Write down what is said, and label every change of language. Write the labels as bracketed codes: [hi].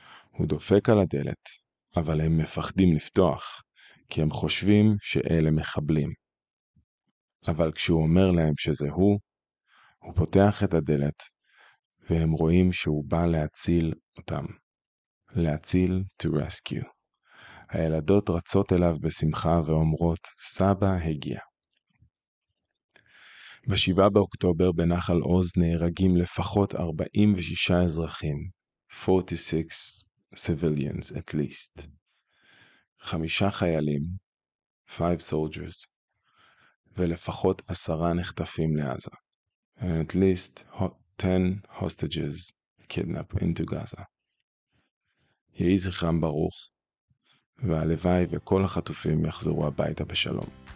[he] הוא דופק על הדלת, אבל הם מפחדים לפתוח, כי הם חושבים שאלה מחבלים. אבל כשהוא אומר להם שזה הוא, הוא פותח את הדלת, והם רואים שהוא בא להציל אותם. להציל, [en] to rescue. [he] הילדות רצות אליו בשמחה ואומרות, סבא הגיע. בשבעה באוקטובר בנחל עוז נהרגים לפחות 46 אזרחים, [en] 46 civilians at least. [he] חמישה חיילים, [en] 5 soldiers, [he] ולפחות 10 נחטפים לעזה. [en] And at least 10 hostages kidnapped into Gaza. [he] יהי זכרם ברוך, והלוואי וכל החטופים יחזרו הביתה בשלום.